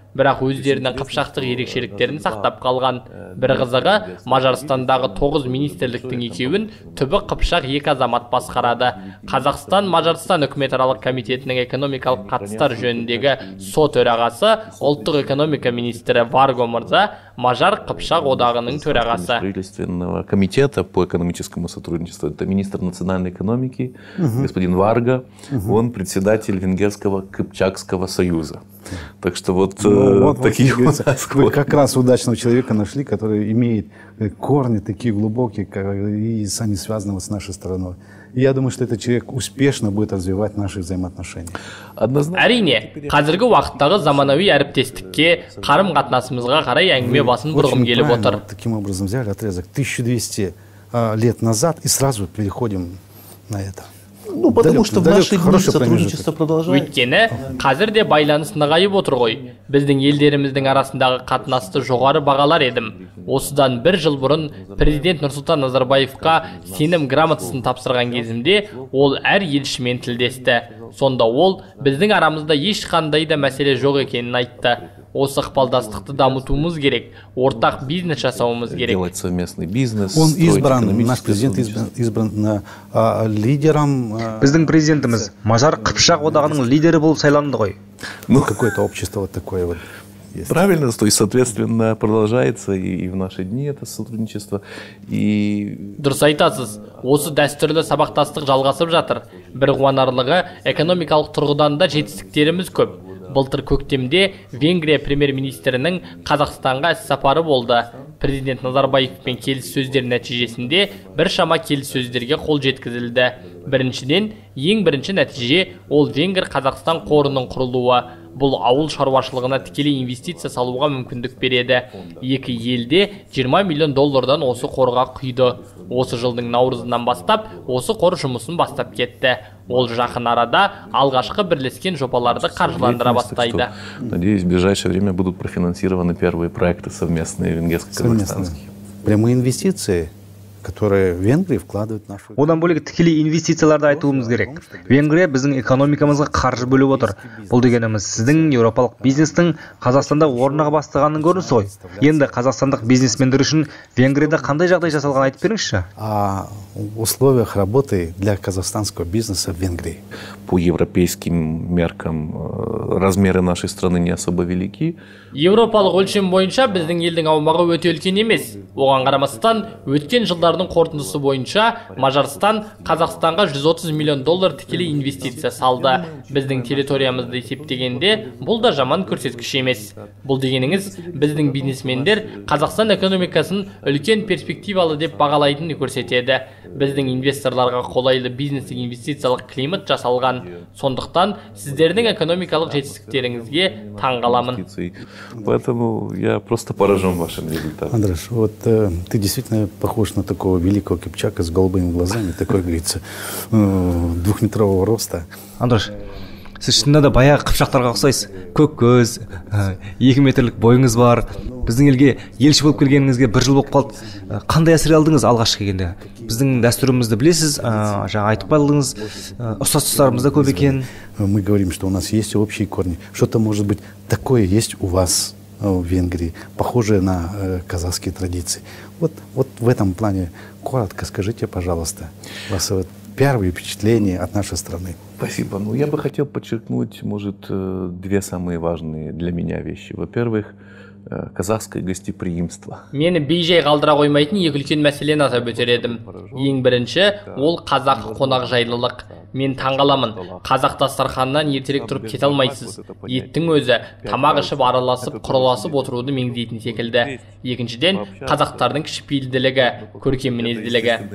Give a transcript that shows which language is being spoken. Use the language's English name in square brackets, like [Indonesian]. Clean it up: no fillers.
[Kazakh] бірақ өздерінің қыпшақтық ерекшеліктерін сақтап қалған. Бір қызығы, Мажарстандағы 9 министрліктің екеуін түбі қыпшақ екі азамат басқарады. Қазақстан-Мажарстан үкіметаралық комитетінің экономикалық қатыстар жөніндегі сот төрағасы, ұлттық экономика министрі Варго Мырза, мажар қыпшақ одағының төрағасы. [Russian] Правительственного комитета по экономическому сотрудничеству, это министр национальной экономики, господин Варго, он председатель Венгерского Кыпчакского союза. Так что вот, вот такие вот, у нас вы как раз удачного человека нашли, который имеет корни такие глубокие, как, и сами связаны с нашей страной. Я думаю, что этот человек успешно будет развивать наши взаимоотношения. [Kazakh] Әрине, қазіргі уақыттағы заманауи әріптестікке, қарым-қатынасымызға қарай әңгіме басын бұрғым келіп отыр. [Russian] Очень правильно, таким образом взяли отрезок 1200 лет назад и сразу переходим на это. Ну, потому что в наши дни сотрудничество продолжается. [Kazakh] Өйткені, қазір де байланыс нығайып отыр ғой. Біздің елдеріміздің арасындағы қатынасты жоғары бағалар едім. Осыдан бір жыл бұрын президент Нұрсұлтан Назарбаевқа сенім грамотасын тапсырған кезімде ол әр елшімен тілдесті. Сонда ол біздің арамызда ешқандай да мәселе жоқ екенін айтты. Осы ықпалдастықты дамытуымыз керек, ортақ бизнес жасауымыз керек. [Russian] Делать совместный бизнес. Он избран, наш президент избран лидером. [Kazakh] Біздің президентіміз мажар қыпшақ одағының лидері болып сайланды ғой. [Russian] Ну, какое-то общество вот такое вот. Есть. Правильно, то есть, соответственно, продолжается и в наши дни это сотрудничество. И... [Kazakh] Дұрыс айтасыз, осы дәстүрлі сабақтастық жалғасып жатыр. Бір қуанарлығы, экономикалық тұрғыдан да жетістіктеріміз көп. Былтыр көктемде Венгрия премьер-министрінің Қазақстанға іссапары болды. Президент Назарбаевпен келіссөздер нәтижесінде біршама келіссөздерге қол жеткізілді. Біріншіден, ең бірінші нәтиже ол Венгр-Қазақстан қорының құрылуы. Бұл ауыл шаруашылығына тікелей инвестиция салуға мүмкіндік береді. Екі елде 20 миллион доллардан осы қорға құйды. Осы жылдың наурызынан бастап, осы қор жұмысын бастап кетті. Ол жақын арада алғашқы бірлескен жобаларды қаржыландыра бастайды. [Russian] Надеюсь, в ближайшее время будут профинансированы первые проекты совместные венгерско-казахстанские. Прямые инвестиции? Которые Венгрия вкладывает нашу... [Kazakh] Одан бөлек тікелей инвестицияларды айтуымыз керек. Венгрия біздің экономикамызға қаржы бөліп отыр. Бұл дегеніміз сіздің еуропалық бизнестің Қазақстанда орнығы бастығанын көрінісі ғой. Енді қазақстандық бизнесмендер үшін Венгрияда қандай жағдай жасалған айтып беріңізші? [Russian] Условиях работы для казахстанского бизнеса в Венгрии. По европейским меркам размеры нашей страны не особо велики. [Kazakh] Европалық өлшем бойынша біздің елдің аумағы өте үлкен емес. Оған қарамастан, өткен жылдардың қорытындысы бойынша Мажарстан Қазақстанға 130 миллион доллар тікелей инвестиция салды. Біздің территориямызды есептегенде бұл да жаман көрсеткіш емес. Бұл дегеніңіз біздің бизнесмендер Қазақстан экономикасын үлкен перспективалы деп бағалайтынын көрсетеді. Біздің инвесторларға қолайлы бизнестік инвестициялық климат жасалған. Сондықтан сіздердің экономикалық жетістіктеріңізге таң қаламын. [Russian] Поэтому я просто поражен вашим результатом. Андрош, вот ты действительно похож на такого великого кипчака с голубыми глазами, такой, говорится, двухметрового роста. [Kazakh] Андрош, сіз шынында да баяғы қыпшақтарға ұқсайсыз. Көк көз, 2 метрлік бойыңыз бар. Біздің елге елші болып келгеніңізге бір жыл болып қалды. Қандай әсер алдыңыз алғашқы келгенде? Біздің дәстүрімізді білесіз, жаңа айтып қалдыңыз, ұстаздарымыз да көп екен. [Russian] Мы говорим, что у нас есть общие корни. Что-то может быть такое есть у вас в Венгрии, похожее на казахские традиции. Вот в этом плане коротко скажите, пожалуйста, вас вот первые впечатления от нашей страны. Спасибо. Ну, я бы хотел подчеркнуть, может, две самые важные для меня вещи. Во-первых, казахское гостеприимство. [Kazakh] Мені бейжай қалдыра қоймайтын екі үлкен мәселен атап өтередім. Ең бірінші, ол қазақ қонақ жайлылық. Мен таңғаламын, қазақ дастарханынан ертерек тұрып кете алмайсыз. Еттің өзі, тамақ ішіп араласып, құрыласып отыруды меңзейтін секілді. Екіншіден, қазақтардың кішіпейілділігі, көркем мінезділігі.